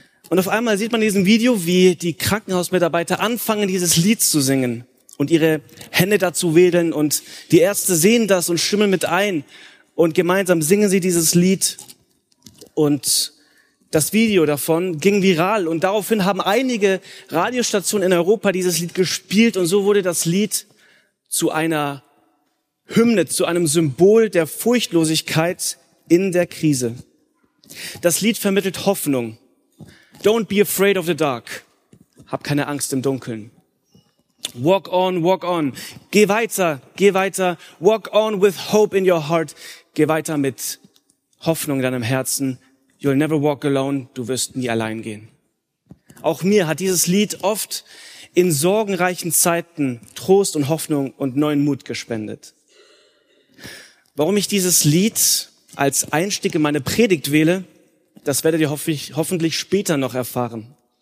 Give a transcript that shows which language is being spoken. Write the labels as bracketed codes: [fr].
[de] Und auf einmal sieht man in diesem Video, wie die Krankenhausmitarbeiter anfangen, dieses Lied zu singen und ihre Hände dazu wedeln und die Ärzte sehen das und stimmen mit ein und gemeinsam singen sie dieses Lied und das Video davon ging viral und daraufhin haben einige Radiostationen in Europa dieses Lied gespielt und so wurde das Lied zu einer Hymne, zu einem Symbol der Furchtlosigkeit in der Krise. Das Lied vermittelt Hoffnung. [en] Don't be afraid of the dark. [de] Hab keine Angst im Dunkeln. [en] Walk on, walk on. [de] Geh weiter, geh weiter. [en] Walk on with hope in your heart. [de] Geh weiter mit Hoffnung in deinem Herzen. [en] You'll never walk alone. [de] Du wirst nie allein gehen. Auch mir hat dieses Lied oft in sorgenreichen Zeiten Trost und Hoffnung und neuen Mut gespendet. Warum ich dieses Lied als Einstieg in meine Predigt wähle, das werdet ihr hoffentlich später noch erfahren.